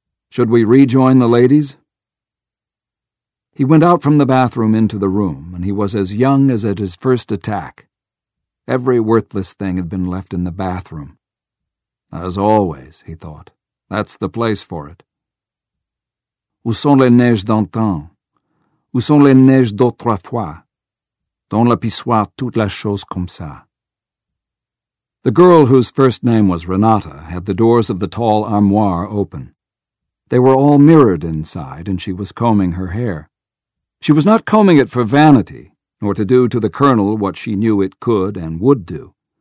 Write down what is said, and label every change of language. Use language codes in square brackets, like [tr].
[en] Should we rejoin the ladies? He went out from the bathroom into the room, and he was as young as at his first attack. Every worthless thing had been left in the bathroom. As always, he thought, that's the place for it. [fr] Où sont les neiges d'antan? Où sont les neiges d'autrefois? Dans le pissoir toute la chose comme ça. [en] The girl whose first name was Renata had the doors of the tall armoire open. They were all mirrored inside, and she was combing her hair. She was not combing it for vanity, nor to do to the colonel what she knew it could and would do.